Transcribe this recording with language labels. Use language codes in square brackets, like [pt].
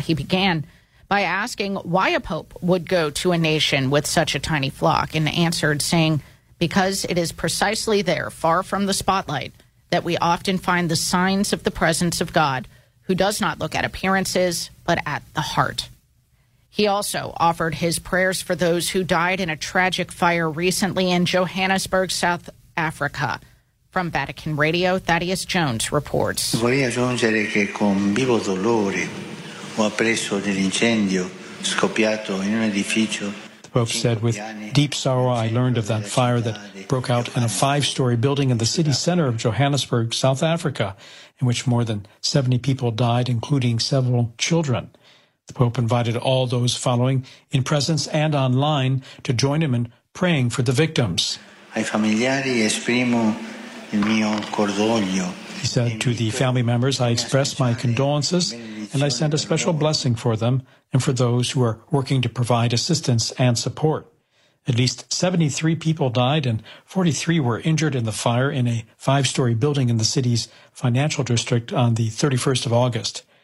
[en] He began by asking why a pope would go to a nation with such a tiny flock, and answered saying, because it is precisely there, far from the spotlight, that we often find the signs of the presence of God, who does not look at appearances, but at the heart. He also offered his prayers for those who died in a tragic fire recently in Johannesburg, South Africa. From Vatican Radio, Thaddeus Jones reports. [it] Vorrei aggiungere che con vivo dolore ho appreso dell'incendio scoppiato in un edificio. [en] The Pope said, with deep sorrow, I learned of that fire that broke out in a five-story building in the city center of Johannesburg, South Africa, in which more than 70 people died, including several children. The Pope invited all those following, in presence and online, to join him in praying for the victims. [it] Ai familiari esprimo il mio cordoglio. [en] He said, to the family members, I express my condolences and I send a special blessing for them and for those who are working to provide assistance and support. At least 73 people died and 43 were injured in the fire in a five-story building in the city's financial district on the 31st of August.